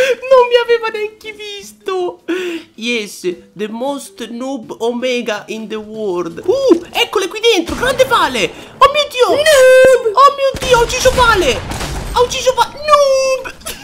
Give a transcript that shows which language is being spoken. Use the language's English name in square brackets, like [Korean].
[Italian] Non mi aveva neanche visto. [English] Yes, the most noob Omega in the world. [Italian] Eccole qui dentro, grande Vale. Oh mio Dio, [English] noob. [Italian] Oh mio Dio, ha ucciso Vale. Noob.